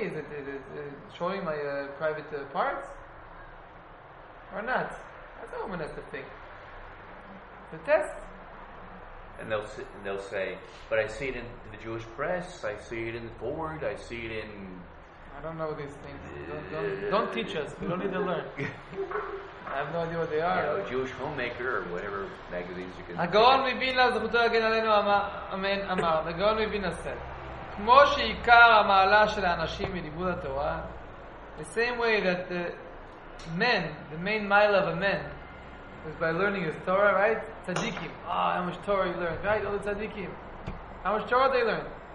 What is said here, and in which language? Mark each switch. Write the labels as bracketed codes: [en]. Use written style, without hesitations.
[en] Is it showing my private parts? Or not? That's how a woman has to think. The test. and they'll say, but I see it in the Jewish press, I see it in the board, I see it in... I don't know these things. Don't teach us. We don't need to learn. I have no idea what they are. You know, Jewish Homemaker or whatever magazines you can... [he] הגאון מבינה זכותו להגן עלינו אמן אמר. [en] הגאון מבינה said, [he] כמו שעיקר המעלה של האנשים מלימוד התורה, [en] the same way that the main mile of a man is by learning his Torah, right? Tzadikim. Ah, how much Torah you learn, right? All the tzadikim. How much Torah they learn?